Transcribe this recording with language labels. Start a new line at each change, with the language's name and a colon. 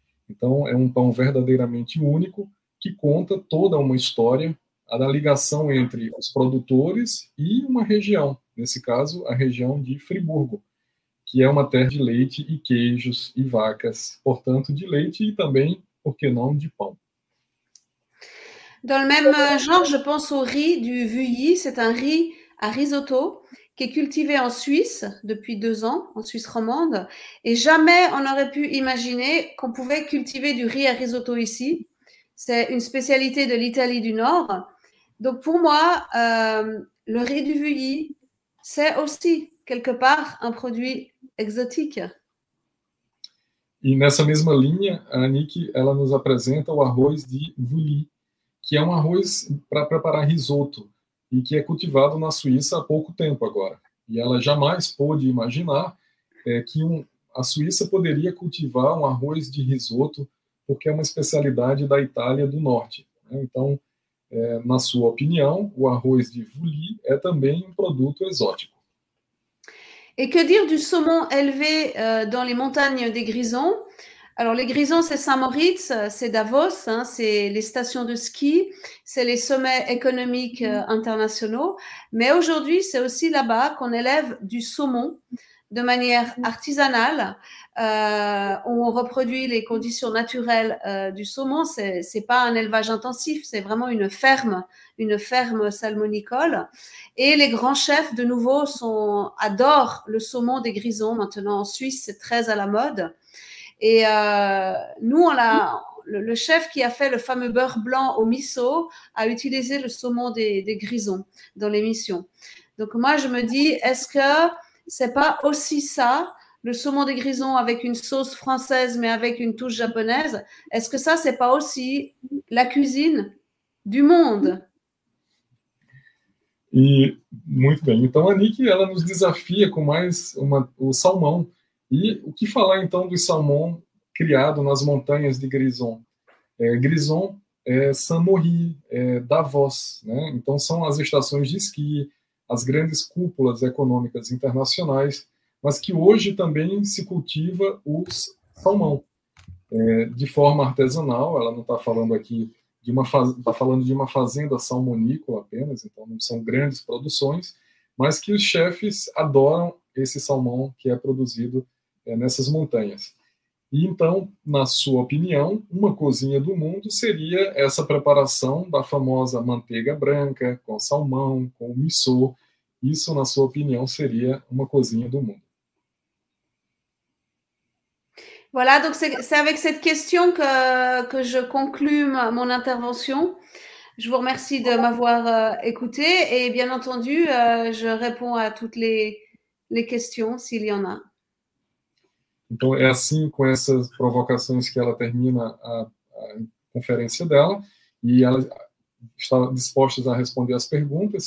Portuguese: Então, é um pão verdadeiramente único, que conta toda uma história, a ligação entre os produtores e uma região, nesse caso, a região de Friburgo, que é uma terra de leite e queijos e vacas, portanto, de leite e também, por que não, de pão.
French: Dans le même genre, je pense au riz du Vuilly. C'est un riz à risotto qui est cultivé en Suisse depuis 2 ans, en Suisse romande. Et jamais on aurait pu imaginer qu'on pouvait cultiver du riz à risotto ici. C'est une spécialité de l'Italie du Nord. Donc pour moi, le riz du Vuilly, c'est aussi quelque part un produit exotique.
Portuguese: Et nessa mesma linha, a Anik, ela nous apresenta o arroz de Vuilly, que é um arroz para preparar risoto e que é cultivado na Suíça há pouco tempo agora. E ela jamais pôde imaginar que a Suíça poderia cultivar um arroz de risoto, porque é uma especialidade da Itália do Norte. Né? Então, na sua opinião, o arroz de Vuilly é também um produto exótico.
French: Et que dire du saumon élevé dans les montagnes des Grisons? Alors, les Grisons, c'est Saint-Moritz, c'est Davos, hein, c'est les stations de ski, c'est les sommets économiques internationaux. Mais aujourd'hui, c'est aussi là-bas qu'on élève du saumon de manière artisanale, où on reproduit les conditions naturelles du saumon. C'est pas un élevage intensif, c'est vraiment une ferme salmonicole. Et les grands chefs, de nouveau, adorent le saumon des Grisons. Maintenant, en Suisse, c'est très à la mode. Et nous, le chef qui a fait le fameux beurre blanc au miso a utilisé le saumon des Grisons dans l'émission. Donc moi, je me dis, est-ce que c'est pas aussi ça, le saumon des Grisons avec une sauce française mais avec une touche japonaise? Est-ce que ça, c'est pas aussi la cuisine du monde?
Portuguese: E, muito bem. Então, a Nick, ela nos desafia com mais o salmão. E o que falar, então, do salmão criado nas montanhas de Grison? Grison é Saint-Maurice, é Davos, né? Então, são as estações de esqui, as grandes cúpulas econômicas internacionais, mas que hoje também se cultiva o salmão de forma artesanal. Ela não está falando aqui de uma fazenda, está falando de uma fazenda salmonícola apenas, então não são grandes produções, mas que os chefes adoram esse salmão que é produzido nessas montanhas. E então, na sua opinião, uma cozinha do mundo seria essa preparação da famosa manteiga branca, com salmão, com miso. Isso, na sua opinião, seria uma cozinha do mundo.
French: Voilà, donc c'est avec cette question que je conclue mon intervention. Je vous remercie de m'avoir écouté et bien entendu, je réponds à toutes les questions s'il y en a.
Portuguese: Então, é assim, com essas provocações, que ela termina a conferência dela. E ela está disposta a responder as perguntas.